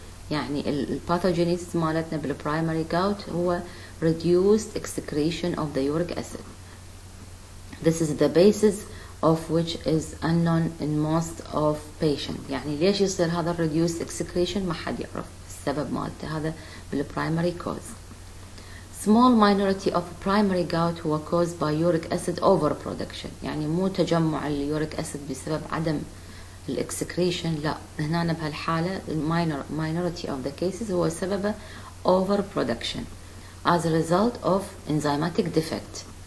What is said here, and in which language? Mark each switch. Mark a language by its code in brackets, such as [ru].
[en] يعني الباثوجينيسيس [ar] مالتنا [en] بالبرايمري gout هو reduced excretion of the uric acid. This is the basis of which is unknown in most of patients. [ar] يعني ليش يصير هذا [en] reduced excretion [ar] ما حد يعرف السبب مالته هذا بال [en] primary cause. Small minority of primary gout هو caused by uric acid overproduction. [ar] يعني مو تجمع اليوريك acid بسبب عدم الexcretion لا هنا بهالحالة [en] minority of the cases [ar] هو سبب overproduction [en] as a result of enzymatic defect.